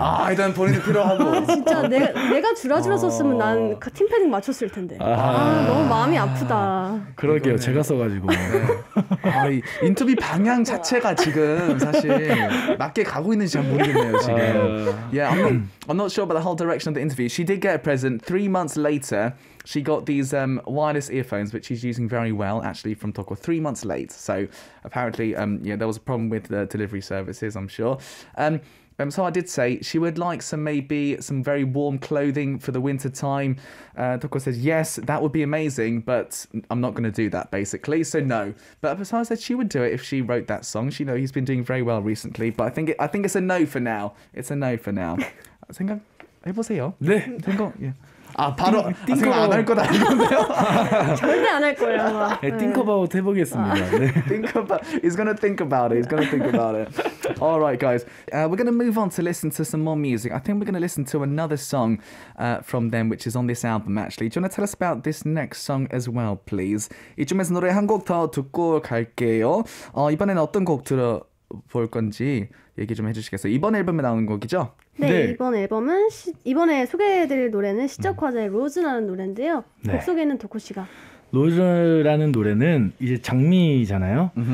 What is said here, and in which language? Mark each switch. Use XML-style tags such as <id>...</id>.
<ko>아, 일단 본인이 필요하고. 진짜 내가 주라주라 썼으면 난 팀 패딩 맞췄을 텐데. 너무 마음이 아프다. 그러게요. 이거는. 제가 써가지고. 네. 인터뷰 방향 자체가 지금 사실 맞게 가고 있는지 잘 모르겠네요, 지금.</ko> <en>Yeah, I'm not sure about the whole direction of the interview. She did get a present 3 months later. She got these wireless earphones, which she's using very well, actually, from Toko, 3 months late. So apparently, yeah, there was a problem with the delivery services, I'm sure. So I did say she would like some maybe some very warm clothing for the winter time. Toko says, yes, that would be amazing, but I'm not going to do that, basically. So no. But Apasar said she would do it if she wrote that song. She, you know, he's been doing very well recently, but I think it's a no for now. It's a no for now.</en> <ko>생각 해보세요. 네. 생각, 예. 아 바로 띵커 안 할 거다. 절대 안 할 거예요. 네, 띵커바웃 해보겠습니다. 네.</ko> <en>He's gonna think about it. He's gonna think about it. All right, guys. We're gonna move on to listen to some more music. I think we're gonna listen to another song from them, which is on this album. Actually, do you wanna tell us about this next song as well, please?</en> <ko>이쯤에서 노래 한 곡 더 듣고 갈게요. 이번에는 어떤 곡 들어볼 건지 얘기 좀 해주시겠어요? 이번 앨범에 나오는 곡이죠? 네, 네, 이번 앨범은 이번에 소개해드릴 노래는 시적 화제의 로즈라는 노래인데요. 네. 곡 소개는 도코 씨가. 로즈라는 노래는 이제 장미잖아요.</ko>